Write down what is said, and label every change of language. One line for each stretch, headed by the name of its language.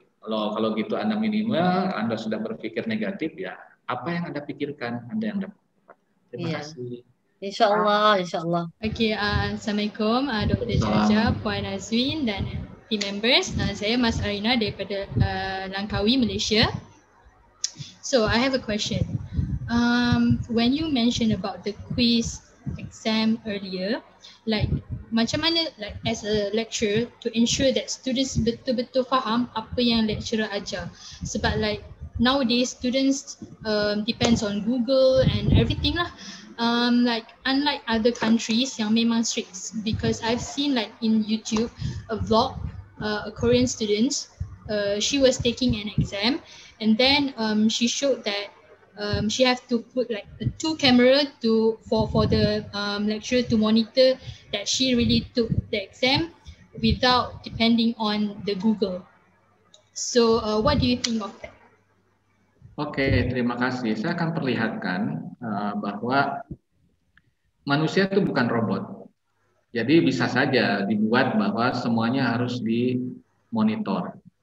Indonesian: Kalau gitu Anda minimal, Anda sudah berpikir negatif, ya apa yang Anda pikirkan, Anda yang dapat. Terima kasih. Insya Allah, insya Allah.
Malay: Okay, Assalamualaikum, Dr. Djadja, Puan Azwin dan team members. Saya Mas Arina daripada Langkawi, Malaysia.
English: So, I have a question. When you mentioned about the quiz exam earlier, like
Malay: macam mana
English: like as a lecturer to ensure that students
Malay: betul-betul faham apa yang
English: lecturer ajar?
Malay: Sebab
English: like nowadays students depends on Google and everything lah. Like unlike other countries
Malay: yang memang
English: strict, because I've seen like in YouTube a vlog, a Korean student, she was taking an exam and then she showed that she have to put like a two camera to for the lecturer to monitor that she really took the exam without depending on the Google. So what do you think of that?
Indonesian: Okay, terima kasih. Saya akan perlihatkan bahwa manusia itu bukan robot. Jadi bisa saja dibuat bahwa semuanya harus dimonitor.